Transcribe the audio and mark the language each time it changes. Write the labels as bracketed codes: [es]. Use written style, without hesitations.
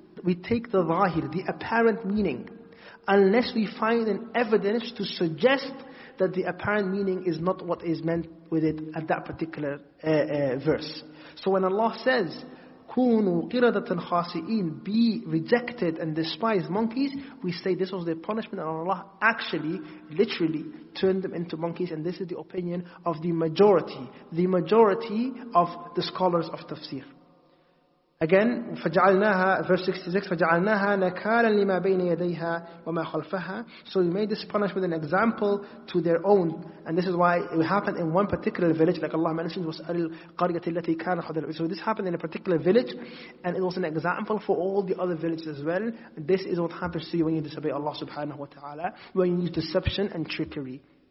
[en] We take the zahir, the apparent meaning, unless we find an evidence to suggest that the apparent meaning is not what is meant with it at that particular verse. So when Allah says, [ar] كونوا قردة خاسئين, [en] be rejected and despised monkeys, we say this was their punishment, and Allah actually, literally, turned them into monkeys. And this is the opinion of the majority of the scholars of tafsir. Again, [ar] فجعلناها, [en] verse 66, [ar] فجعلناها نكالا لما بين يديها وما خلفها. [en] So we made this punishment an example to their own. And this is why it happened in one particular village, like Allah mentioned, was [ar] القرية التي كان خضر. [en] So this happened in a particular village, and it was an example for all the other villages as well. This is what happens to you when you disobey Allah subhanahu wa ta'ala, when you use deception and trickery.